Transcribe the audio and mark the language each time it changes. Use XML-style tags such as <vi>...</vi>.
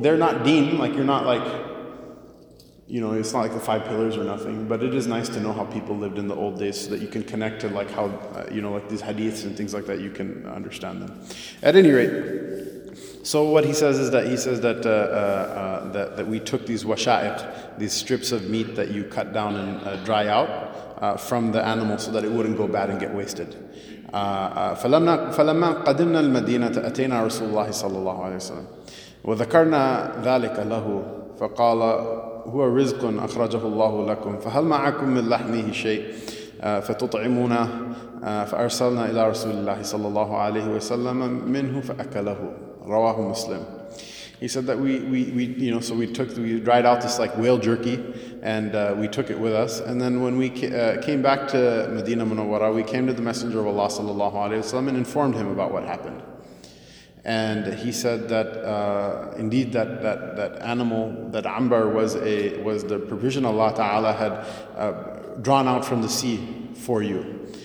<en>They're not deen, like you're not like, you know, it's not like the five pillars or nothing, but it is nice to know how people lived in the old days so that you can connect to like how, you know, like these hadiths and things like that, you can understand them. At any rate, so what he says that we took these washa'iq, these strips of meat that you cut down and dry out from the animal so that it wouldn't go bad and get wasted.</en> <ar>فَلَمَّا قَدِمْنَا الْمَدِينَةَ أَتَيْنَا رَسُولُ اللَّهِ صَلَى اللَّهُ عَلَيْهِ وَسَلَمْ وَذَكَرْنَا ذَلِكَ لَهُ فَقَالَ هو رزق أخرجه الله لكم فهل معكم من لحمه شيء فتطعمونا فأرسلنا إلى رسول الله صلى الله عليه وسلم منه فأكله رواه مسلم.</ar> <en>He said that we you know, so we dried out this like whale jerky and we took it with us, and then when we came back to Medina Munawwara, we came to the Messenger of Allah</en> <ar>صلى الله عليه وسلم</ar> <en>and informed him about what happened. And he said that indeed that animal, that ambar, was the provision Allah Ta'ala had drawn out from the sea for you.</en>